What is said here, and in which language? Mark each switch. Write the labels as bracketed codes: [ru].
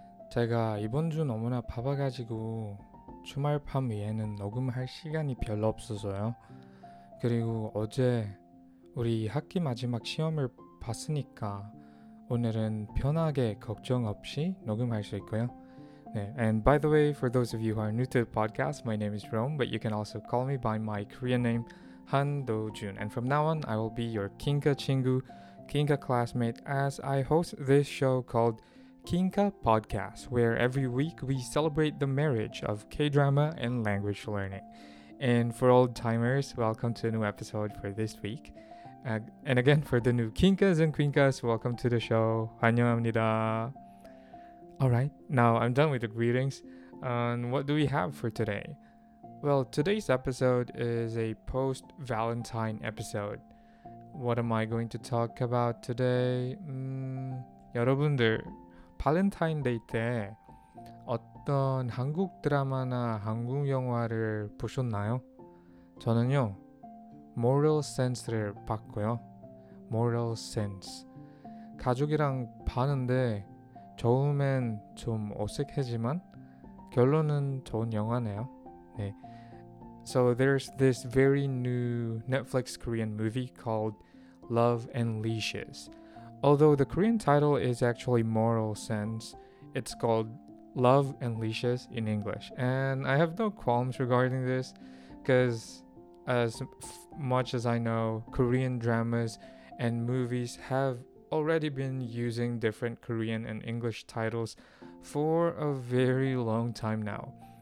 [ko] 제가 이번 주 너무나 바빠가지고 주말 밤 위에는 녹음할 시간이 별로 없어서요. 그리고 어제 우리 학기 마지막 시험을 봤으니까 오늘은 편하게 걱정 없이 녹음할 수 있고요. [en] 네, and by the way, for those of you who are new to the podcast, my name is Rome, but you can also call me by my Korean name, Han Do-jun. And from now on, I will be your Kinka Chingu, Kinka classmate, as I host this show called Kinka Podcast, where every week we celebrate the marriage of K-drama and language learning. And for old timers, welcome to a new episode for this week. And again, for the new Kinkas and Queenkas, welcome to the show. [ko] 환영합니다. [en] Alright, now I'm done with the greetings. And what do we have for today? Well, today's episode is a post-Valentine episode. What am I going to talk about today? [ko] 여러분들, 발렌타인데이 때 어떤 한국 드라마나 한국 영화를 보셨나요? 저는요, Moral Sense를 봤고요. [en] Moral Sense. [ko] 가족이랑 봤는데 처음엔 좀 어색하지만 결론은 좋은 영화네요. 네. [en] So there's this very new Netflix Korean movie called Love and Leashes. Although the Korean title is actually Moral Sense, it's called Love and Leashes in English. And I have no qualms regarding this, because as much as I know, Korean dramas and movies have already been using different Korean and English titles for a very long time now.